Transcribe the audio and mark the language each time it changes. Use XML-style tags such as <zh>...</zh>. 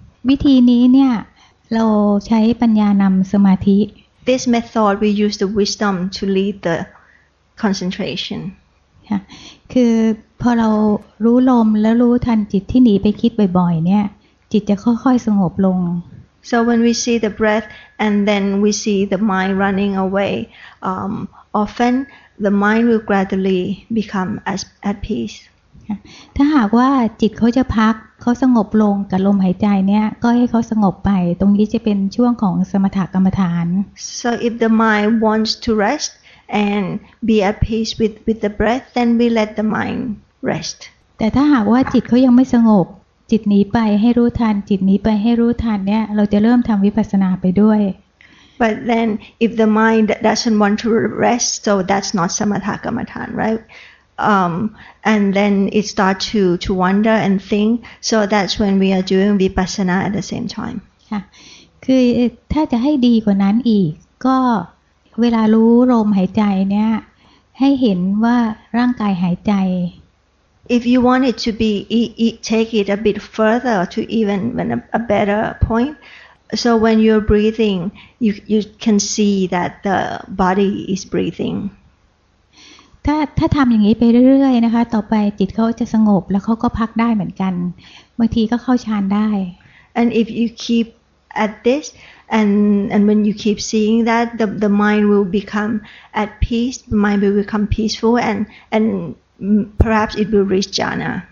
<th>วิธีนี้เนี่ยเราใช้ปัญญานำสมาธิ</th> <en>this method we use the wisdom to lead the concentration</en> <th>คือพอเรารู้ลมแล้วรู้ทันจิตที่หนีไปคิดบ่อยๆเนี่ยจิตจะค่อยๆสงบลง</th> <en>So when we see the breath and then we see the mind running away often the mind will gradually become as at peace</en> <th>ถ้าหากว่าจิตเขาจะพักเขาสงบลงกับลมหายใจเนี่ยก็ให้เขาสงบไปตรงนี้จะเป็นช่วงของสมถกรรมฐาน</th> <en>So if the mind wants to rest and be at peace with the breath then we let the mind rest</en> <th>แต่ถ้าหากว่าจิตเขายังไม่สงบจิตหนีไปให้รู้ทันจิตหนีไปให้รู้ทันเนี่ยเราจะเริ่มทำวิปัสสนาไปด้วย</th> <en>But then if the mind doesn't want to rest so that's not samatha kamathan rightand then it start to wander and think so that's when we are doing vipassana at the same time</en> <th>ค่ะคือถ้าจะให้ดีกว่านั้นอีกก็เวลารู้ลมหายใจเนี่ยให้เห็นว่าร่างกายหายใจ</th> <en>if you want it to be take it a bit further to even when a better point so when you're breathing you can see that the body is breathing</en> <th>ถ้าทำอย่างนี้ไปเรื่อยๆนะคะต่อไปจิตเขาจะสงบแล้วเขาก็พักได้เหมือนกันบางทีก็เข้าฌานได้</th> <en>And if you keep at this and when you keep seeing that the mind will become at peace the mind will become peaceful and perhaps it will reach jhana</en>